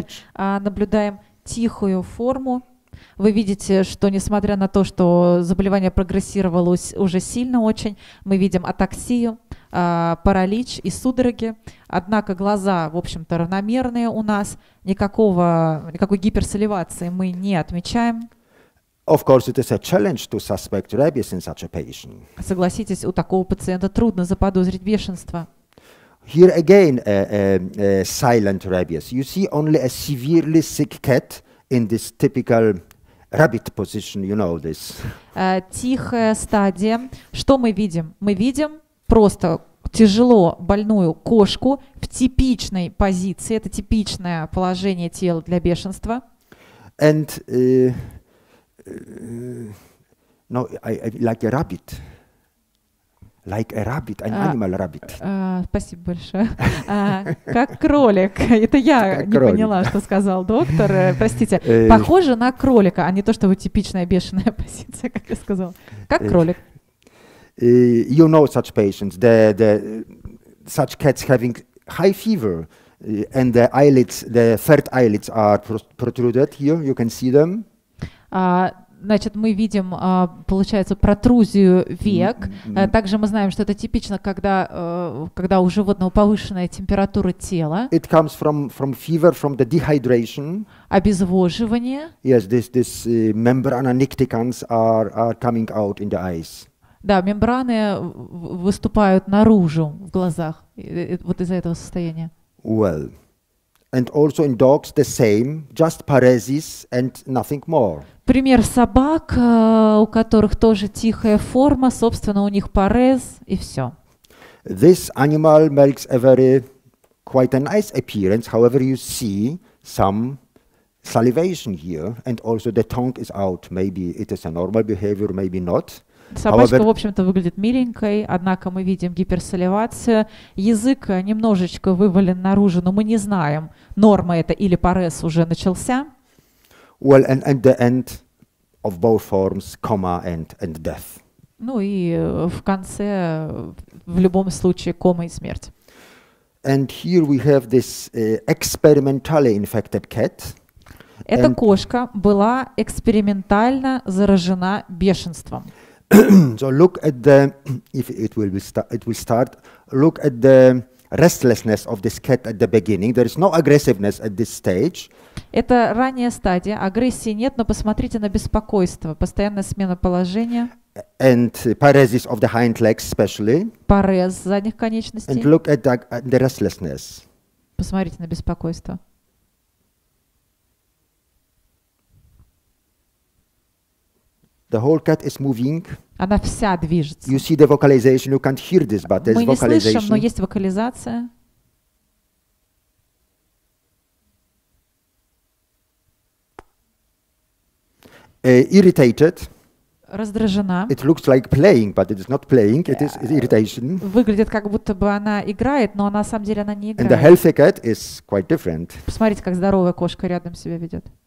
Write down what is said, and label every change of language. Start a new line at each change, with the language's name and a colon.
Russian: Здесь мы наблюдаем тихую форму. Вы видите, что несмотря на то, что заболевание прогрессировало уже сильно очень, мы видим атаксию, паралич и судороги. Однако глаза, в общем-то, равномерные у нас. Никакой гиперсаливации мы не отмечаем.
English: Of course, it is a challenge to suspect rabies in such a patient.
Russian: Согласитесь, у такого пациента трудно заподозрить бешенство.
English: Here again, a silent rabies. You see only a severely sick cat in this typical rabbit position. You know this.
Russian: Тихая стадия. Что мы видим? Мы видим просто тяжело больную кошку в типичной позиции. Это типичное положение тела для бешенства.
English: And no, like a rabbit. Like a rabbit, an animal rabbit.
Russian: Спасибо большое. Как кролик. Это я не поняла, что сказал доктор. Простите. Похоже на кролика, а не то, что вы типичная бешеная позиция, как я сказал. Как кролик.
English: You know such patients, such cats having high fever, and the eyelids, the third eyelids are protruded here, you can see them.
Russian: Значит, мы видим, получается, протрузию век. Mm-hmm. Также мы знаем, что это типично, когда у животного повышенная температура тела.
English: It comes from fever, from the dehydration.
Russian: Обезвоживание.
English: Yes, this membrana nictitans are coming out in the eyes.
Russian: Да, мембраны выступают наружу в глазах, вот из-за этого состояния.
English: Well, and also in dogs the same, just paresis and nothing more.
Russian: Пример собак, у которых тоже тихая форма, собственно, у них парез и все.
English: This animal makes a very quite a nice appearance. However, you see some salivation here, and also the tongue is out. Maybe it is a normal behavior, maybe not.
Russian: Собачка, в общем-то, выглядит миленькой, однако мы видим гиперсаливацию. Язык немножечко вывален наружу, но мы не знаем, норма это или парез уже начался.
English: Well, and the end of both forms, coma and death.
Russian: Ну и в конце, в любом случае, кома и смерть.
English: And here we have this experimentally infected cat.
Russian: Эта кошка была экспериментально заражена бешенством.
English: So look at the, if it will be it will start, look at the restlessness of this cat at the beginning. There is no aggressiveness at this stage.
Russian: Это ранняя стадия, агрессии нет, но посмотрите на беспокойство, постоянная смена положения.
English: And paresis of the hind legs especially.
Russian: Парез задних конечностей.
English: And look at the restlessness.
Russian: Посмотрите на беспокойство.
English: The whole cat is moving.
Russian: Она вся движется.
English: You see the vocalization. You can't hear this, but there's vocalization.
Russian: Мы не слышим, но есть вокализация.
English: Irritated.
Russian: Раздражена.
English: It looks like playing, but it is not playing. It is irritation.
Russian: Выглядит, как будто бы она играет, но на самом деле она не играет.
English: And the healthy cat is quite different.
Russian: Посмотрите, как здоровая кошка рядом себя ведет.